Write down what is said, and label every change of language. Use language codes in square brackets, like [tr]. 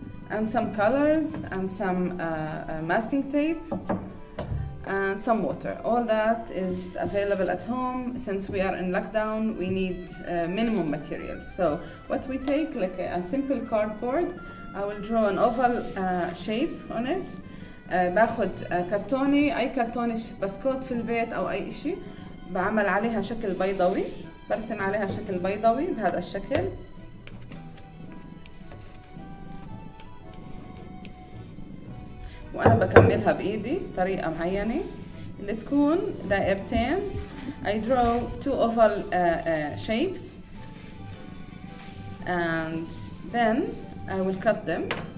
[en] And some colors and some masking tape. And some water. All that is available at home. Since we are in lockdown, we need minimum materials. So what we take, like a simple cardboard, I will draw an oval shape on it. [ar] باخد كرتوني, أي كرتوني بسكوت في البيت أو أي إشي, بعمل عليها شكل بيضوي, برسم عليها شكل بيضوي بهذا الشكل. وأنا بكملها بإيدي طريقة معينة اللي تكون دائرتين. [en] I draw two oval shapes and then I will cut them.